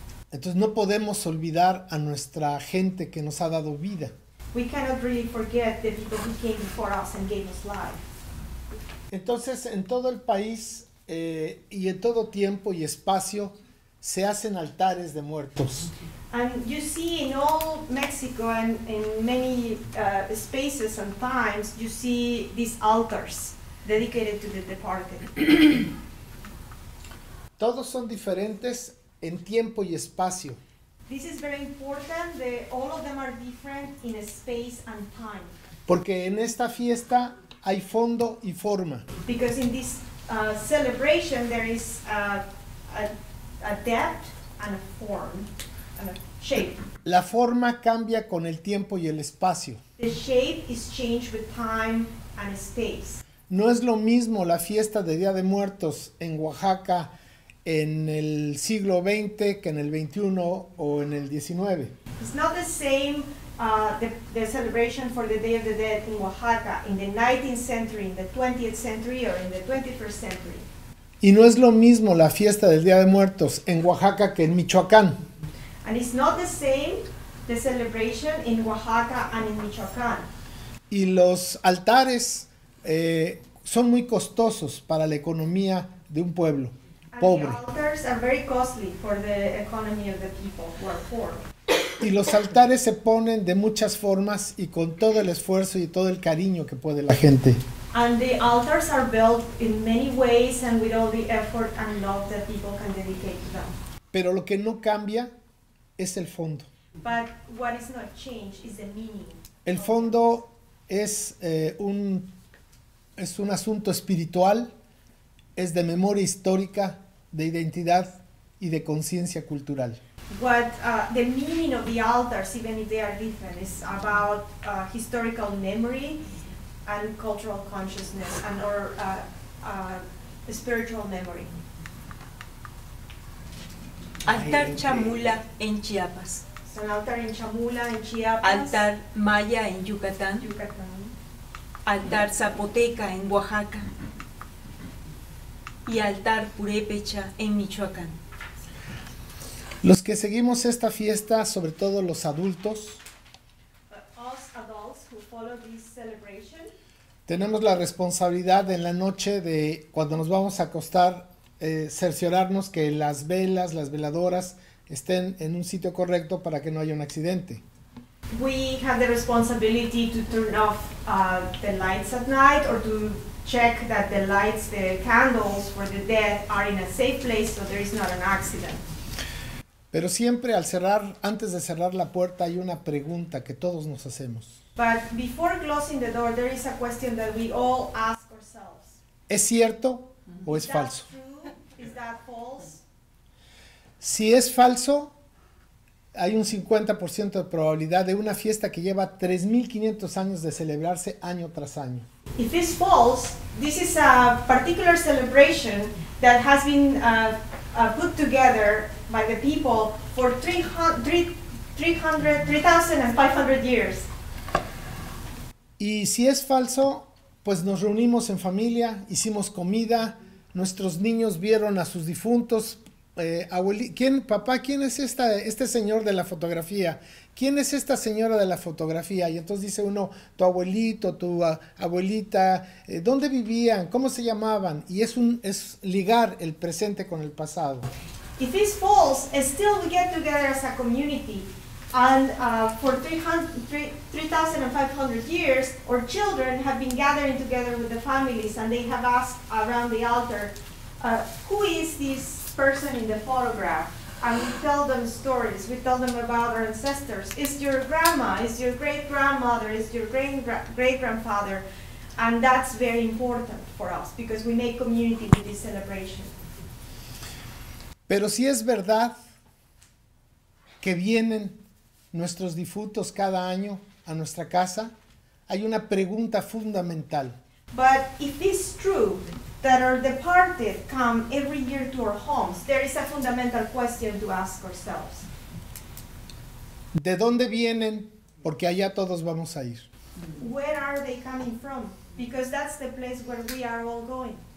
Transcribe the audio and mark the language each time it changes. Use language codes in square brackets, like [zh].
[es] Entonces no podemos olvidar a nuestra gente que nos ha dado vida. [en] We cannot really forget the people who came before us and gave us life. [es] Entonces en todo el país y en todo tiempo y espacio se hacen altares de muertos. [en] And you see in all Mexico and in many spaces and times, you see these altars dedicated to the departed. [es] Todos son diferentes en tiempo y espacio. [en] This is very important, that all of them are different in a space and time. [es] Porque en esta fiesta hay fondo y forma. [en] Because in this celebration there is a depth and a form. Shape. [es] La forma cambia con el tiempo y el espacio. [en] The shape is changed with time and space. [es] No es lo mismo la fiesta de Día de Muertos en Oaxaca en el siglo XX que en el XXI o en el XIX. [en] It's not the same the celebration for the Day of the Dead in Oaxaca in the 19th century, in the 20th century or in the 21st century. [es] Y no es lo mismo la fiesta del Día de Muertos en Oaxaca que en Michoacán. [en] And it's not the same, the celebration in Oaxaca and in Michoacán. [es] Y los altares son muy costosos para la economía de un pueblo pobre. [en] And the altars are very costly for the economy of the people who are poor. [es] Y los altares se ponen de muchas formas y con todo el esfuerzo y todo el cariño que puede la gente. [en] And the altars are built in many ways and with all the effort and love that people can dedicate to them. [es] Pero lo que no cambia es el fondo. [en] But what is not changed is the meaning. [es] El fondo es un asunto espiritual, es de memoria histórica, de identidad y de conciencia cultural. [en] What the meaning of the altars, even if they are different, is about historical memory and cultural consciousness and our spiritual memory. [es] Altar Chamula en Chiapas. So, altar en Chamula en Chiapas. Altar Maya en Yucatán. Yucatán. Altar Zapoteca en Oaxaca. Y altar Purépecha en Michoacán. Los que seguimos esta fiesta, sobre todo los adultos, [en] us adults who follow this celebration, [es] tenemos la responsabilidad en la noche de cuando nos vamos a acostar, cerciorarnos que las velas, las veladoras estén en un sitio correcto para que no haya un accidente. [en] We have the responsibility to turn off the lights at night or to check that the lights, the candles for the dead are in a safe place so there is not an accident. [es] Pero siempre al cerrar, antes de cerrar la puerta, hay una pregunta que todos nos hacemos. [en] But before closing the door there is a question that we all ask ourselves. [es] ¿Es cierto o es falso? [en] Is that false? [es] Si es falso, hay un 50% de probabilidad de una fiesta que lleva 3,500 años de celebrarse año tras año. [en] If it's false, this is a particular celebration that has been put together by the people for 3,500 years. [es] Y si es falso, pues nos reunimos en familia, hicimos comida, Nuestros niños vieron a sus difuntos. ¿Quién, papá, quién es este señor de la fotografía? ¿Quién es esta señora de la fotografía? Y entonces dice uno, tu abuelito, tu abuelita, ¿dónde vivían? ¿Cómo se llamaban? Y es ligar el presente con el pasado. [en] If it's false, still we get together as a community. And for 3,500 years, our children have been gathering together with the families, and they have asked around the altar, who is this person in the photograph? And we tell them stories. We tell them about our ancestors. It's your grandma, it's your great-grandmother, it's your great-grandfather. And that's very important for us, because we make community with this celebration. [es] Pero si es verdad que vienen nuestros difuntos cada año a nuestra casa, hay una pregunta fundamental. [en] But if it's true that our departed come every year to our homes, there is a fundamental question to ask ourselves. [es] ¿De dónde vienen? Porque allá todos vamos a ir. [en] Where are they coming from? Because that's the place where we are all going.